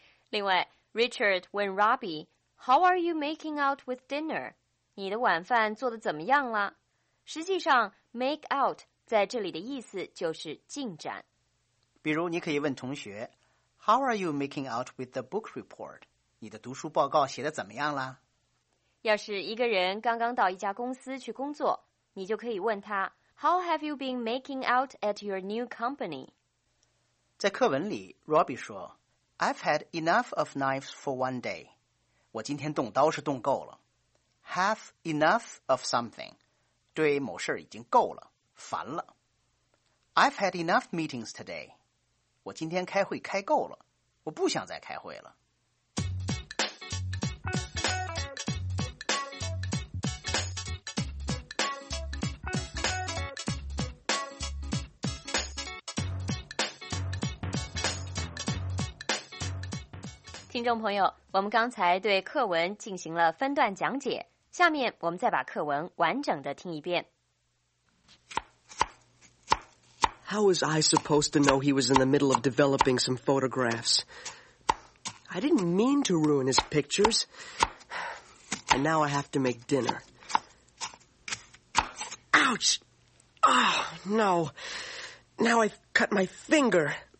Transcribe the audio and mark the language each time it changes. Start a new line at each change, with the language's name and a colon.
Chinese: 另外
English: ,Richard
Chinese: 问
English: Robbie, How are you making out with dinner?
Chinese: 你的晚饭做得怎么样了？实际上 make out 在这里的意思就是进展。比如你可以问同学
English: ,How are you making out with the book report?
Chinese: 你的读书报告写得怎么样了？要是一个人刚刚到一家公司去工作，你就可以问他
English: How have you been making out at your new company?
Chinese: 在课文里
English: ,Robbie 说 I've had enough of knives for one day.
Chinese: 我今天动刀是动够了。
English: Have enough of something.
Chinese: 对某事已经够了，烦了。
English: I've had enough meetings today.
Chinese: 我今天开会开够了，我不想再开会了。听众朋友，我们刚才对课文进行了分段讲解，下面我们再把课文完整的听一遍。
English: How was I supposed to know he was in the middle of developing some photographs? I didn't mean to ruin his pictures. And now I have to make dinner. Ouch! Oh, no! Now I've cut my finger!